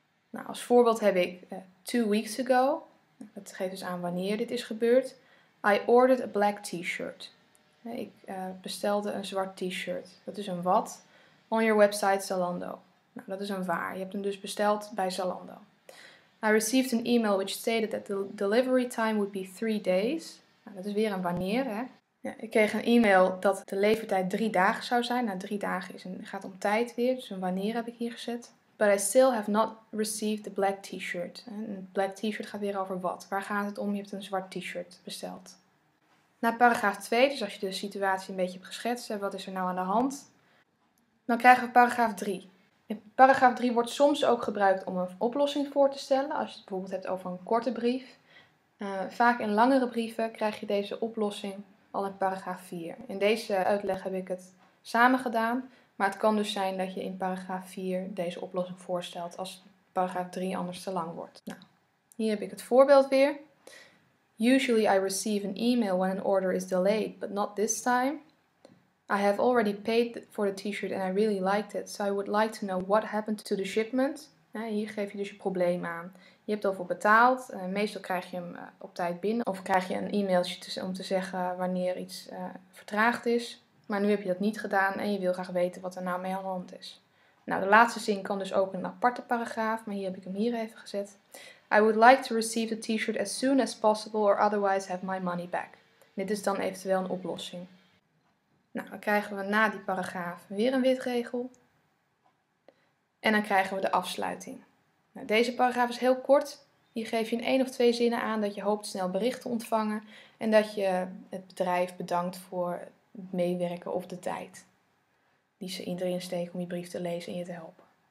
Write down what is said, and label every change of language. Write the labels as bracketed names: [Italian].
[Dutch] Nou, als voorbeeld heb ik [English] 2 weeks ago. [Dutch] Dat geeft dus aan wanneer dit is gebeurd. [English] I ordered a black t-shirt. [Dutch] He, ik bestelde een zwart t-shirt. Dat is een wat. [English] On your website Zalando. [Dutch] Nou, dat is een waar. Je hebt hem dus besteld bij Zalando. [English] I received an email which stated that the delivery time would be 3 days. [Dutch] Nou, dat is weer een wanneer, hè. Ja, ik kreeg een e-mail dat de levertijd 3 dagen zou zijn. Nou, 3 dagen is gaat om tijd weer, dus een wanneer heb ik hier gezet. [English] But I still have not received the black t-shirt. [Dutch] Een black t-shirt gaat weer over wat. Waar gaat het om? Je hebt een zwart t-shirt besteld. Na paragraaf 2, dus als je de situatie een beetje hebt geschetst, wat is er nou aan de hand? Dan krijgen we paragraaf 3. In paragraaf 3 wordt soms ook gebruikt om een oplossing voor te stellen, als je het bijvoorbeeld hebt over een korte brief. Vaak in langere brieven krijg je deze oplossing al in paragraaf 4. In deze uitleg heb ik het samen gedaan, maar het kan dus zijn dat je in paragraaf 4 deze oplossing voorstelt als paragraaf 3 anders te lang wordt. Nou, hier heb ik het voorbeeld weer. [English] Usually I receive an email when an order is delayed, but not this time. I have already paid for the t-shirt and I really liked it, so I would like to know what happened to the shipment. [Dutch] Ja, hier geef je dus je probleem aan. Je hebt ervoor betaald. Meestal krijg je hem op tijd binnen. Of krijg je een e-mailtje om te zeggen wanneer iets vertraagd is. Maar nu heb je dat niet gedaan en je wil graag weten wat er nou mee aan de hand is. Nou, de laatste zin kan dus ook een aparte paragraaf. Maar hier heb ik hem hier even gezet. [English] I would like to receive the t-shirt as soon as possible or otherwise have my money back. [Dutch] Dit is dan eventueel een oplossing. Nou, dan krijgen we na die paragraaf weer een witregel. En dan krijgen we de afsluiting. Nou, deze paragraaf is heel kort. Hier geef je in 1 of 2 zinnen aan dat je hoopt snel bericht te ontvangen. En dat je het bedrijf bedankt voor het meewerken of de tijd die ze erin steken om je brief te lezen en je te helpen.